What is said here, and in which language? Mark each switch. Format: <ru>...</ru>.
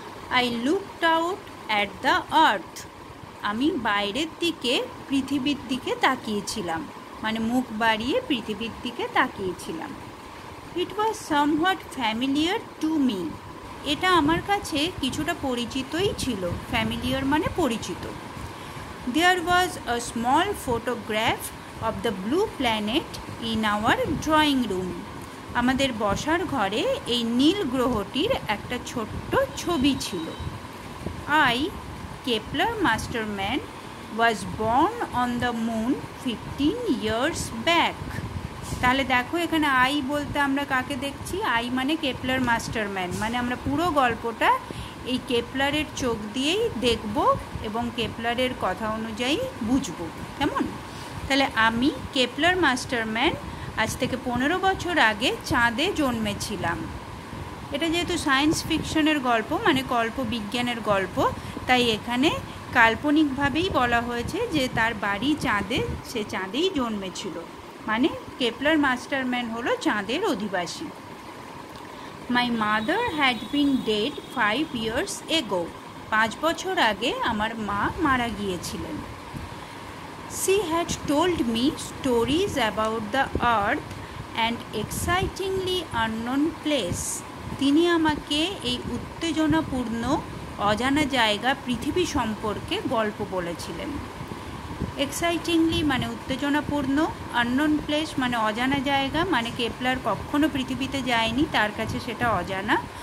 <en>I looked out at the earth,</en> <bn>আমি বাইরের দিকে পৃথিবীর দিকে তাকিয়েছিলাম, মানে মুখ বাড়িয়ে পৃথিবীর দিকে তাকিয়েছিলাম।</bn> <en>it was somewhat familiar to me,</en> <bn>এটা আমার কাছে কিছুটা পরিচিতই ছিল। ফ্যামিলিয়ার মানে পরিচিত।</bn> <en>There was a small photograph of the blue planet in our drawing room.</en> <bn>আমাদের বসার ঘরে এই নীল গ্রহটির একটা ছোট্ট ছবি ছিল।</bn> <en>I, Kepler Masterman, was born on the moon 15 years back.</en> <bn>তাহলে দেখো এখানে আই বলতে আমরা কাকে দেখছি, আই মানে কেপলার মাস্টারম্যান, মানে আমরা পুরো গল্পটা এই কেপলারের চোখ দিয়েই দেখব এবং কেপলারের কথা অনুযায়ী বুঝব, কেমন? তাহলে আমি কেপলার মাস্টারম্যান আজ থেকে 15 বছর আগে চাঁদে জন্মেছিলাম। এটা যেহেতু সায়েন্স ফিকশনের গল্প, মানে কল্পবিজ্ঞানের গল্প, তাই এখানে কাল্পনিকভাবেই বলা হয়েছে যে তার বাড়ি চাঁদে, সে চাঁদেই জন্মেছিল, মানে কেপলার মাস্টারম্যান হলো চাঁদের অধিবাসী।</bn> <en>My mother had been dead 5 years ago.</en> <bn>5 বছর আগে আমার মা মারা গিয়েছিলেন.</bn> <en>She had told me stories about the earth and excitingly unknown place.</en> <bn>তিনি আমাকে এই উত্তেজনাপূর্ণ অজানা জায়গা পৃথিবী সম্পর্কে গল্প বলেছিলেন. এক্সাইটিংলি মানে উত্তেজনাপূর্ণ, আননোন প্লেস মানে অজানা জায়গা, মানে কেপলার কখনো পৃথিবীতে যায়নি, তার কাছে সেটা অজানা.</bn>